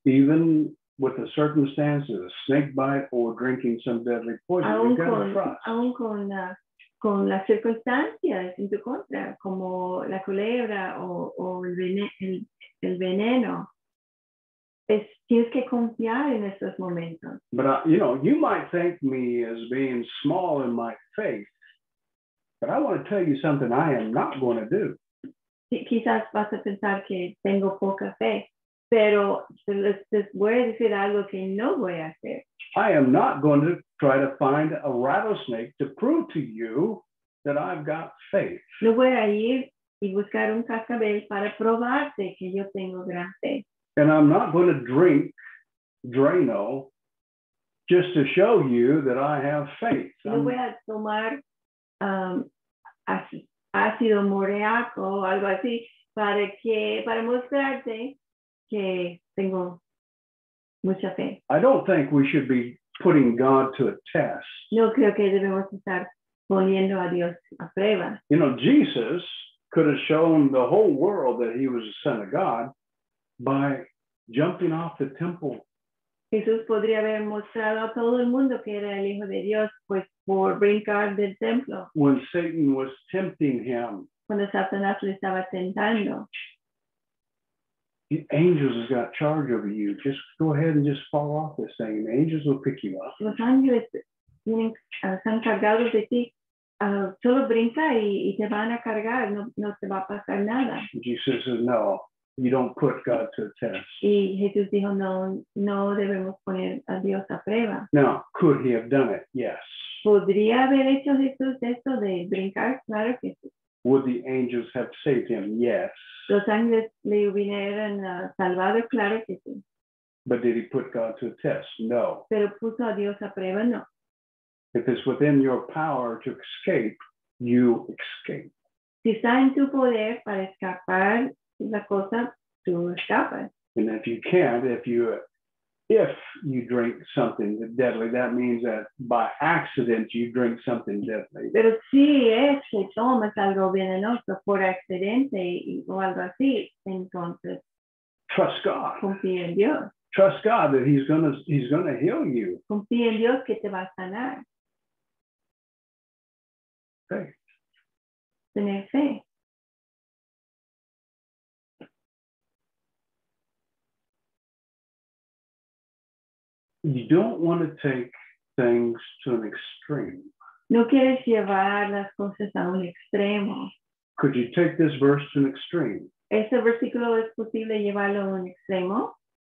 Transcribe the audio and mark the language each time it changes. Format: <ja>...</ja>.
<en>Even with the circumstances, a snake bite or drinking some deadly poison, aún you've got</en> <es>con,</es> <en>to trust.</en> <es>Aún con la... con las circunstancias en tu contra, como la culebra o el veneno, tienes que confiar en estos momentos.</es> <en>But you know, you might think me as being small in my faith, but I want to tell you something I am not going to do.</en> <es>Quizás vas a pensar que tengo poca fe, pero les voy a decir algo que no voy a hacer.</es> <en>I am not going to try to find a rattlesnake to prove to you that I've got faith.</en> <es>No voy a ir y buscar un cascabel para probarte que yo tengo gran fe.</es> <en>And I'm not going to drink Drano just to show you that I have faith.</en> <es>No voy a tomar ácido moreaco o algo así para mostrarte que tengo mucha fe.</es> <en>I don't think we should be putting God to a test.</en> <es>No creo que debemos estar poniendo a Dios a prueba.</es> <en>You know, Jesus could have shown the whole world that he was the Son of God by jumping off the temple.</en> <es>Jesús podría haber mostrado a todo el mundo que era el Hijo de Dios pues por brincar del templo.</es> <en>When Satan was tempting him.</en> <es>Cuando Satanás le estaba tentando.</es> <en>The angels has got charge over you. Just go ahead and just fall off this thing. The angels will pick you up.</en> <es>Los ángeles están cargados de ti. Solo brinca y te van a cargar. No te va a pasar nada.</es> <en>Jesus says, no, you don't put God to a test.</en> <es>Y Jesús dijo, no debemos poner a Dios a prueba.</es> <en>Now, could he have done it? Yes.</en> <es>¿Podría haber hecho Jesús esto de brincar? Claro que sí.</es> <en>Would the angels have saved him? Yes.</en> <es>Los ángeles le hubieran salvado, claro que sí.</es> <en>But did he put God to a test? No.</en> <es>Pero puso a Dios a prueba, no.</es> <en>If it's within your power to escape, you escape.</en> <es>Si está en tu poder para escapar la cosa, tú escapas.</es> <en>And if you can't, if you drink something deadly, that means that by accident you drink something deadly.</en> <es>Pero si es que tomas algo venenoso por accidente o algo así, entonces</es> <en>trust God.</en> <es>Confía en Dios.</es> <en>Trust God that He's gonna heal you.</en> <es>Confía en Dios que te va a sanar.</es> <en>Faith.</en> <es>Tener fe.</es> <en>You don't want to take things to an extreme.</en> <es>No quieres llevar las cosas a un extremo.</es> <en>Could you take this verse to an extreme?</en> <es>¿Este versículo es posible llevarlo a un extremo?</es>